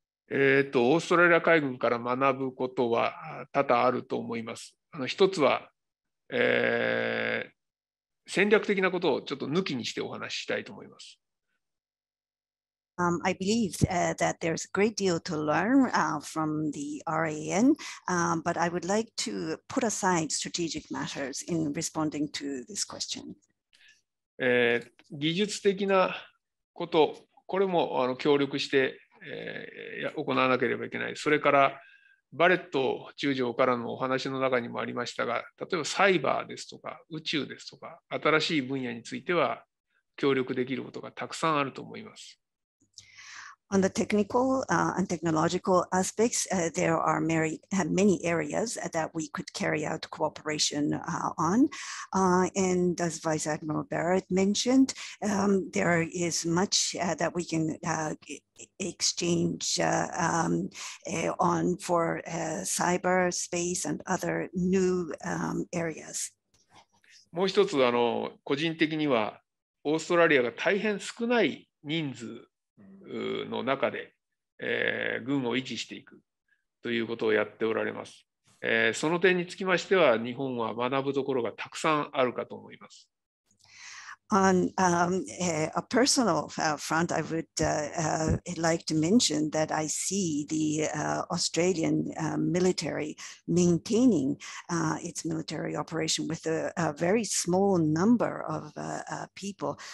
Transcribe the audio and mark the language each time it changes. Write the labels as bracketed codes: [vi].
[ja] オーストラリア海軍から学ぶことは多々あると思います。一つは、戦略的なことをちょっと抜きにしてお話ししたいと思います。 [en] I believe that there's a great deal to learn from the RAN, but I would like to put aside strategic matters in responding to this question. [ja] 技術的なこと、これも協力して行わなければいけない。それからバレット中将からのお話の中にもありましたが、例えばサイバーですとか宇宙ですとか新しい分野については協力できることがたくさんあると思います。 [en] On the technical and technological aspects, there are many areas that we could carry out cooperation on. And as Vice Admiral Barrett mentioned, there is much that we can exchange on for cyber space and other new areas. [ja] もう一つ、個人的にはオーストラリアが大変少ない人数の中で、軍を維持していくということをやっておられます、その点につきましては日本は学ぶところがたくさんあるかと思います。 [en] On a personal front, I would like to mention that I see the Australian military maintaining its military operation with a very small number of people.